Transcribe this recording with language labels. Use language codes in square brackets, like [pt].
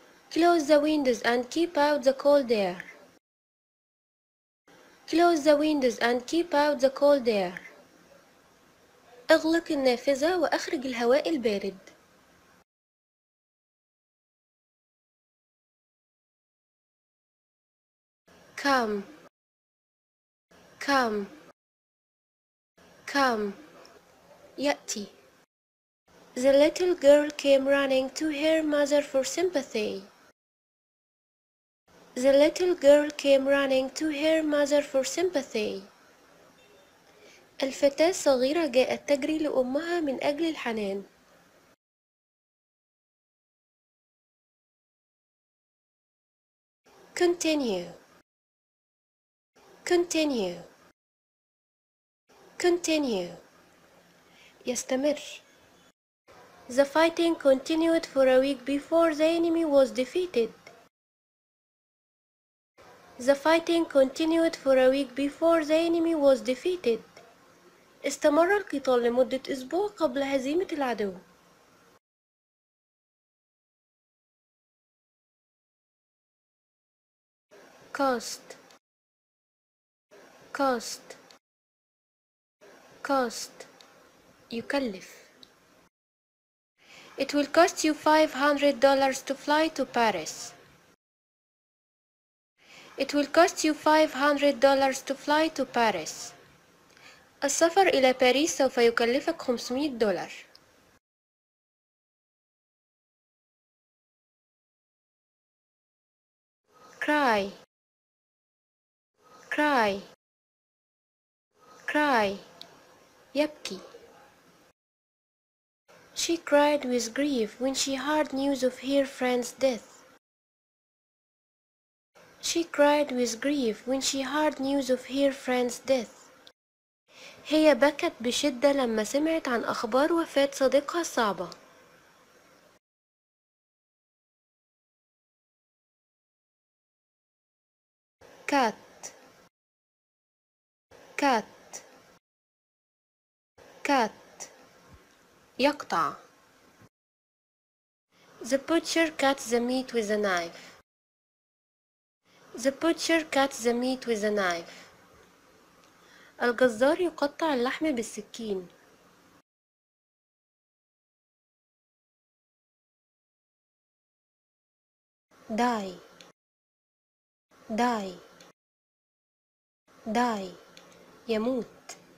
[en] Close the windows and keep out the cold air. Close the windows and keep out the cold air. [ar] اغلق النافذة واخرج الهواء البارد. [en] Come. Come. Come. [ar] يأتي. [en] The little girl came running to her mother for sympathy. The little girl came running to her mother for sympathy. [ar] الفتاة الصغيرة جاءت تجري لأمها من أجل الحنان. [en] Continue. Continue. Continue. [ar] يستمر. [en] The fighting continued for a week before the enemy was defeated. The fighting continued for a week before the enemy was defeated. [ar] استمر القتال لمدة أسبوع قبل هزيمة العدو. [en] Cost. Cost. Cost. [ar] يكلف. [en] It will cost you $500 to fly to Paris. It will cost you $500 to fly to Paris. [ar] السفر إلى باريس سوف يكلفك $500. [en] Cry. Cry. Cry. [ar] يبكي. [en] She cried with grief when she heard news of her friend's death. She cried with grief when she heard news of her friend's death. [ar] هي بكت بشدة لما سمعت عن أخبار وفاة صديقها الصعبة. [en] Cut. Cut. Cut. [ar] يقطع. [en] The butcher cuts the meat with a knife. The butcher cuts the meat with a knife. [ar] الجزار يقطع اللحم بالسكين. [en] die die die [ar] يموت.